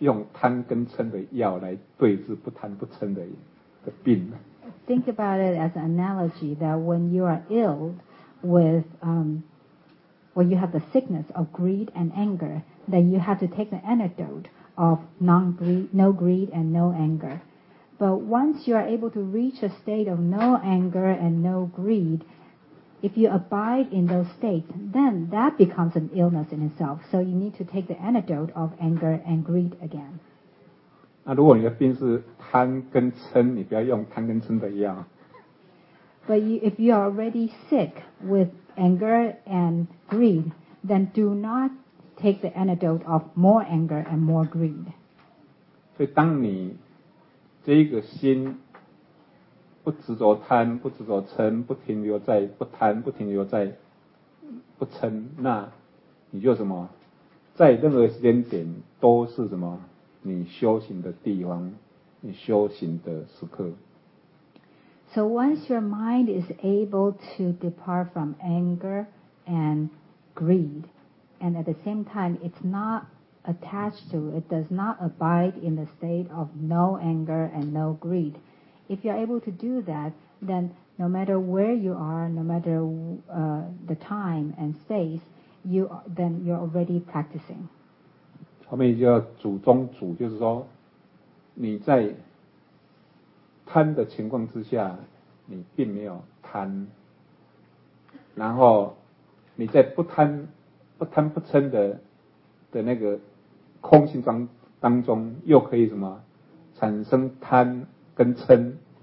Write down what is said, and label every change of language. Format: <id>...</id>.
<zh>用贪跟嗔的药来对治不贪不嗔的病。</zh> <en>Think about it as an analogy that when you are ill with when you have the sickness of greed and anger, then you have to take the antidote of no greed and no anger. But once you are able to reach a state of no anger and no greed, if you abide in those states, then that becomes an illness in itself. So you need to take the antidote of anger and greed again.</en> <zh>那如果你的病是贪跟嗔，你不要用贪跟嗔的药。</zh> <en>But if you are already sick with anger and greed, then do not take the antidote of more anger and more greed.</en> <zh>所以当你这个心不执着贪，不执着嗔，不停留在不贪，不停留在不嗔，那你就什么，在任何时间点都是什么，你修行的地方，你修行的时刻。</zh> <en>So once your mind is able to depart from anger and greed, and at the same time it's not attached to, it does not abide in the state of no anger and no greed. If you're able to do that, then no matter where you are, no matter the time and space, then you're already practicing.</en> <zh>后面就要主中主，就是说你在贪的情况之下你并没有贪，然后你在不贪不嗔的那个空性当中又可以什么产生贪跟嗔。</zh>